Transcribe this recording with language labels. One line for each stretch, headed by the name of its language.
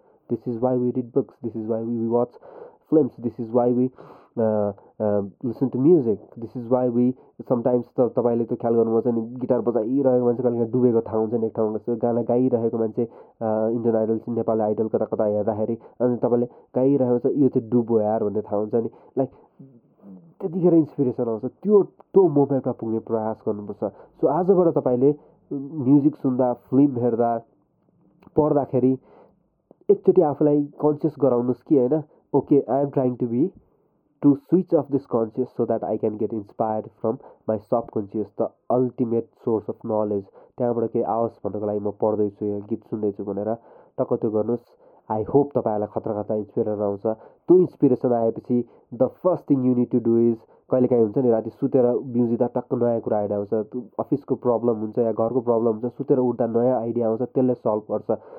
English: this is why we read books this is why we watch films this is why we listen to music this is why we sometimes
Nepali: त तपाईँले त्यो ख्याल गर्नुपर्छ नि guitar बजाइरहेको मान्छे कहिले डुबेको थाहा हुन्छ नि एक ठाउँमा जस्तो गाना गाइरहेको मान्छे इन्डियन आइडल नेपाली आइडल कता कता हेर्दाखेरि अनि तपाईँले गाइरहेको छ यो चाहिँ डुबो यार भन्ने थाहा हुन्छ नि लाइक त्यतिखेर इन्सपिरेसन आउँछ त्यो मोमेन्टमा पुग्ने प्रयास गर्नुपर्छ सो आजबाट तपाईँले म्युजिक सुन्दा फिल्म हेर्दा पढ्दाखेरि एकचोटि आफूलाई कन्सियस गराउनुहोस् कि होइन
English: Okay I am trying to be to switch off this conscious so that I can get inspired from my subconscious, the ultimate source of knowledge.
Nepali: त्यहाँबाट केही आओस् भन्नुको लागि म पढ्दैछु या गीत सुन्दैछु भनेर टक्क त्यो गर्नुहोस्।
English: I hope
Nepali: तपाईँहरूलाई खतरा खतरा इन्सपिरेसन आउँछ। त्यो इन्सपिरेसन आएपछि
English: the first thing you need to do is,
Nepali: कहिलेकाहीँ हुन्छ नि राति सुतेर बिउजिँदा टक्क नयाँ कुरा आइडिया आउँछ, अफिसको प्रब्लम हुन्छ या घरको प्रब्लम हुन्छ, सुतेर उठ्दा नयाँ आइडिया आउँछ, त्यसले सल्भ गर्छ।